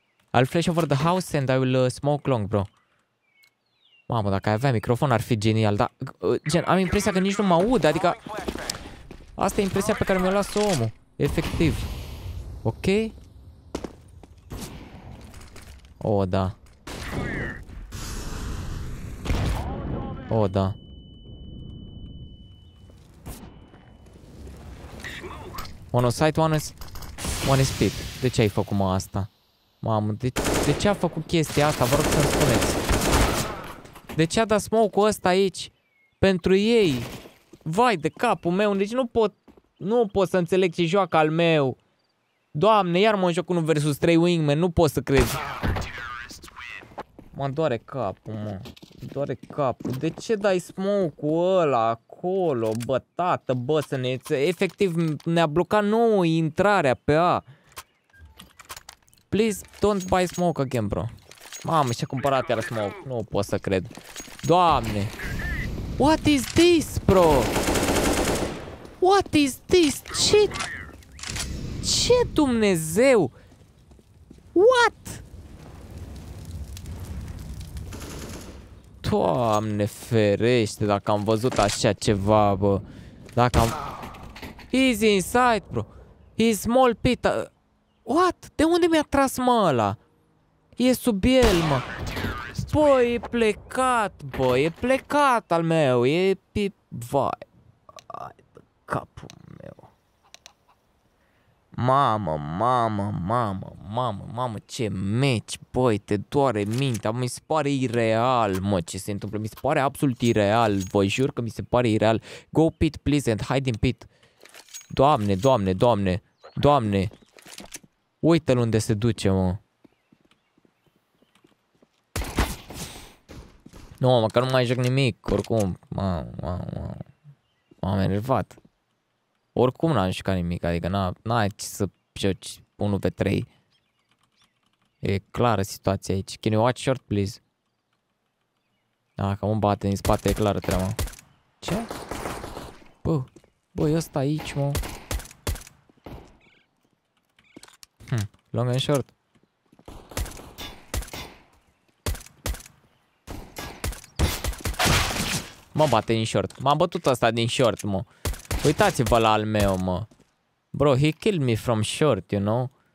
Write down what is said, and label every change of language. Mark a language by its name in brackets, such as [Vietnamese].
[English] I'll flash over the house and I will smoke long, bro. [Romanian] Mamă, dacă ai avea microfon ar fi genial, dar gen, am impresia că nici nu mă aud, adică asta e impresia pe care mi-o lasă omul, efectiv. Ok? Oh, da. [English] One on site, one is pit. [Romanian] De ce ai făcut, mă, asta? Mamă, de ce a făcut chestia asta? Vă rog să-mi spuneți. De ce a dat smoke-ul ăsta aici? Pentru ei. Vai de capul meu, deci nu pot să înțeleg ce joacă al meu. Doamne, iar mă joc 1 vs 3 wingman, nu pot să cred. Mă doare capul, mă. Doare capul. De ce dai smoke-ul ăla acolo, bă, tată, bă, să ne... Efectiv, ne-a blocat nouă intrarea pe A. [English] Please, don't buy smoke again, bro. [Romanian] Mamă, și-a cumpărat iar smoke. Nu pot să cred. Doamne. [English] What is this, bro? What is this? [Romanian] Ce Dumnezeu? [English] What? [Romanian] Doamne ferește, dacă am văzut așa ceva, bă. Dacă am... [English] He's inside, bro. He's small pit. What? [Romanian] De unde mi-a tras, mă, ăla? E sub el, mă. Păi, e plecat, bă. E plecat al meu. E pip... Vai. Ai, capul meu. Mamă, mamă, mamă, mamă, mamă, ce meci, băi, te doare mintea, mi se pare ireal, mă, ce se întâmplă, mi se pare absolut ireal, vă jur că mi se pare ireal. [English] Go pit, please, and hide in pit. [Romanian] Doamne, doamne, doamne, doamne, uite-l unde se duce, mă. Nu, mă, că nu mai joc nimic, oricum, m-am enervat. Oricum n-am jucat nimic, adică n-ai ce să joci 1v3. E clară situația aici. [English] Can you watch short, please? [Romanian] Dacă mă bate din spate, e clară treaba. Ce? Bă, bă, eu stai aici, mă. [English] Long and short. [Romanian] Mă bate din short. M-am bătut ăsta din short, mă. Uitați-vă la al meu, mă. [English] Bro, he killed me from short, you know?